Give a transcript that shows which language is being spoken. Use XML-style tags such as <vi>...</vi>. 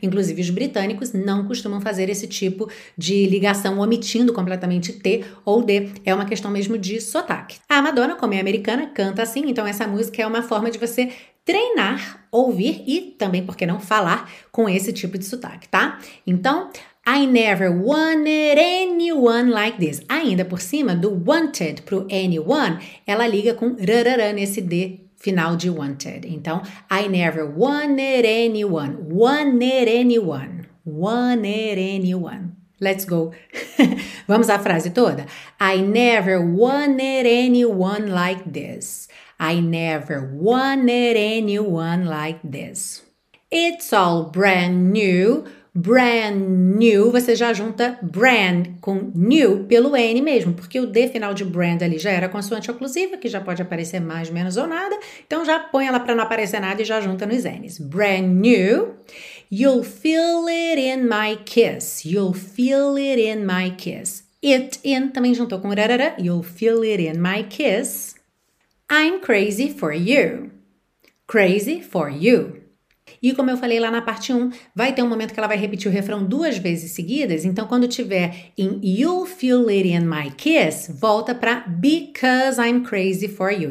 <pt>Inclusive, os britânicos não costumam fazer esse tipo de ligação, omitindo completamente T ou D. É uma questão mesmo de sotaque. A Madonna, como é americana, canta assim, então essa música é uma forma de você treinar, ouvir e também, por que não, falar com esse tipo de sotaque, tá?</pt> <en>Então, I never wanted anyone like this.</en> <pt>Ainda por cima do wanted pro anyone, ela liga com rarara nesse D final de wanted.</pt> <en>Então, I never wanted anyone. Wanted anyone. Wanted anyone. Let's go.</en> <pt>Vamos à frase toda.</pt> <en>I never wanted anyone like this. I never wanted anyone like this. It's all brand new. Brand new,</en> <pt>você já junta brand com new pelo N mesmo, porque o D final de brand ali já era consoante oclusiva, que já pode aparecer mais, menos ou nada. Então, já põe ela para não aparecer nada e já junta nos N's.</pt> <en>Brand new, you'll feel it in my kiss. You'll feel it in my kiss. It in,</en> <pt>também juntou com rarara.</pt> <en>You'll feel it in my kiss. I'm crazy for you. Crazy for you.</en> <pt>E como eu falei lá na parte 1, vai ter um momento que ela vai repetir o refrão duas vezes seguidas. Então, quando tiver em</pt> <en>you'll feel it in my kiss,</en> <pt>volta para</pt> <en>because I'm crazy for you.</en>